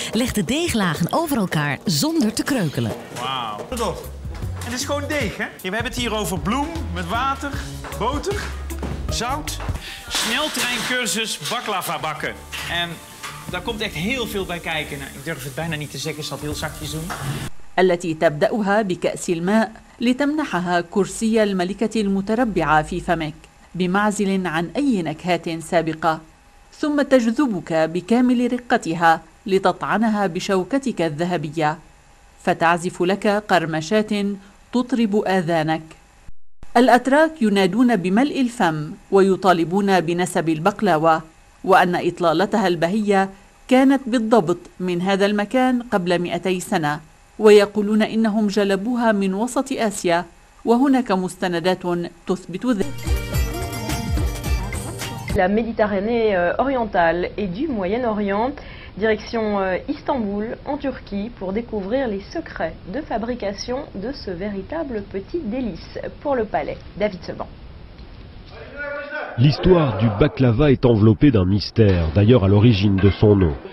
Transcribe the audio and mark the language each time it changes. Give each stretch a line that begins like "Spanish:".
Dutch: Leg de deeglagen over elkaar zonder te kreukelen. Wauw. Het is gewoon deeg, hè? Ja, we hebben het hier over bloem met water, boter, zout. Sneltreincursus baklava bakken. En daar komt echt heel veel bij kijken. Nou, ik durf het bijna niet te zeggen, ik zal het heel zachtjes doen.
Arabic: التي تبدأها بكأس الماء لتمنحها كرسي الملكة المتربعة في فمك بمعزل عن أي نكهات سابقة ثم تجذبك بكامل رقتها لتطعنها بشوكتك الذهبية فتعزف لك قرمشات تطرب آذانك الأتراك ينادون بملء الفم ويطالبون بنسب البقلاوة وأن إطلالتها البهية كانت بالضبط من هذا المكان قبل 200 سنة ويقولون إنهم جلبوها من وسط آسيا وهناك مستندات تثبت ذلك.
French: La Méditerranée orientale et du Moyen-Orient Direction Istanbul, en Turquie, pour découvrir les secrets de fabrication de ce véritable petit délice pour le palais. David Seban. L'histoire du baklava est enveloppée d'un mystère, d'ailleurs à l'origine de son nom.